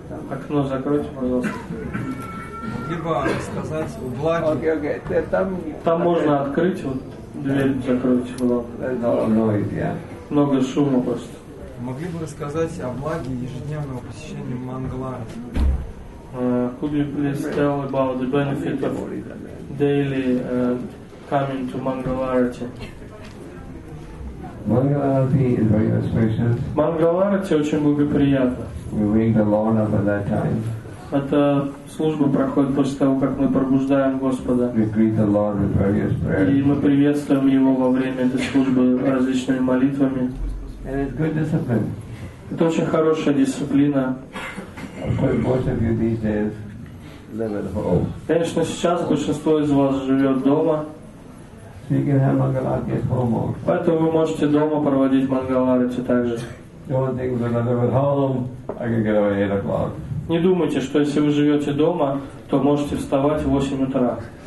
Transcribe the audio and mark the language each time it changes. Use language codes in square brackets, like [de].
[ru] Окно закройте, пожалуйста. Либо сказать в благе. Окей. Там можно открыть, вот дверь закройте, пожалуйста. Много шума просто. Могли бы рассказать о благе ежедневного посещения Мангалары? [en] Could you please tell about the benefit of daily coming to Mangalarati? Mangalarati is very auspicious. [ru] Mangalarati очень благоприятно. [en] We ring the Lord up at that time. [ru] Эта служба проходит после того, как мы пробуждаем Господа. [en] We greet the Lord with various prayers. [ru] И мы приветствуем Его во время этой службы различными молитвами. [en] And it's good discipline. [ru] Это очень хорошая дисциплина. [en] Of course, most of you these days live at home. [ru] Конечно, сейчас большинство из вас живет дома. [en] So you can have Mangalarati at home also. [ru] Поэтому вы можете дома проводить Мангаларати также. Не думайте, что если вы живете дома, то можете вставать в 8 утра.